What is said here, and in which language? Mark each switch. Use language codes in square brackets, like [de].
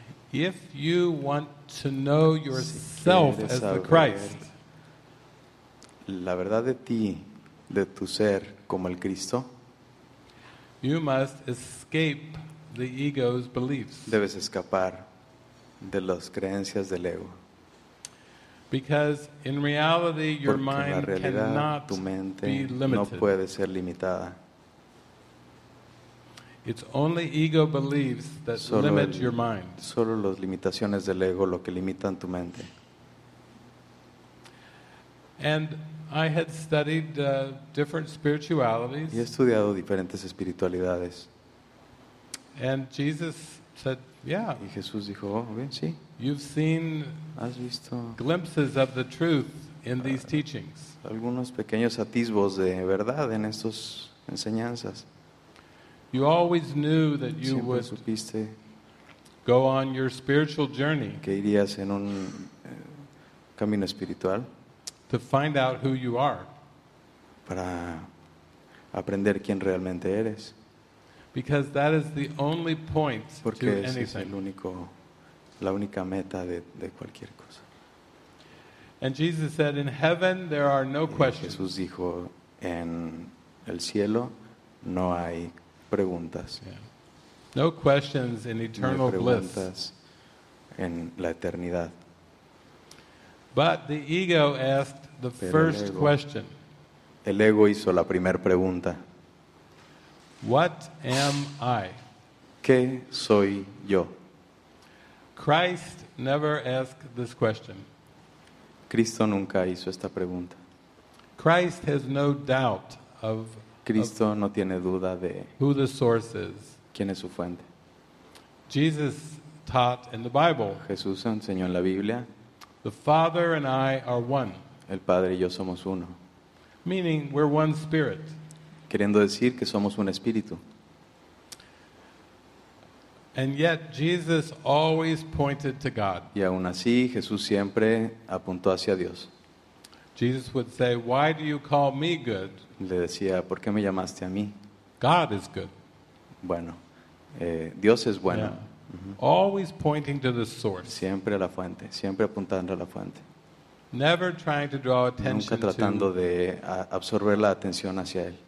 [en] If you want to know yourself as the Christ, [es] la verdad de ti, de tu ser como el Cristo, [en] you must escape the ego's beliefs. [es] Debes escapar de las creencias del ego. [en] Because in reality, your mind cannot [es] tu mente [en] be limited. [es] No puede ser limitada. [en] It's only ego beliefs that limit your mind. [es] Solo las limitaciones del ego lo que limitan tu mente. [en] And I had studied different spiritualities. [es] Y he estudiado diferentes espiritualidades. [en] And Jesus said, yeah. [es] Y Jesús dijo, oh, bien, sí. [en] You've seen, [es] has visto, [en] glimpses of the truth in these teachings. [es] Algunos pequeños atisbos de verdad en estas enseñanzas. [en] You always knew that you would go on your spiritual journey, [es] que irías en un camino espiritual, [en] to find out who you are, [es] para aprender quién realmente eres, [en] because that is the only point to anything. [es] Porque es el único, la única meta de cualquier cosa. [en] And Jesus said, "In heaven there are no questions." [es] Jesús dijo, en el cielo no hay preguntas. [en] Yeah. No questions in eternal bliss. [es] En la eternidad. [en] But the ego asked the first question. [es] El ego hizo la primera pregunta. [en] What am I? [es] ¿Qué soy yo? [en] Christ never asked this question. [es] Cristo nunca hizo esta pregunta. [en] Christ has no doubt of [es] Cristo no tiene duda de [en] who the source is. [es] ¿Quién es su fuente? [en] Jesus taught in the Bible. [es] Jesús enseñó en la Biblia. [en] The Father and I are one. [es] El Padre y yo somos uno. [en] Meaning we're one spirit. [es] Queriendo decir que somos un espíritu. [en] And yet Jesus always pointed to God. [es] Y aún así Jesús siempre apuntó hacia Dios. [en] Jesus would say, "Why do you call me good?" [es] Le decía, ¿por qué me llamaste a mí? [en] God is good. [es] Bueno, Dios es bueno. Yeah. [en] Always pointing to the source. [es] Siempre a la fuente, siempre apuntando a la fuente. [en] Never trying to draw attention. [es] Nunca tratando de absorber la atención hacia él.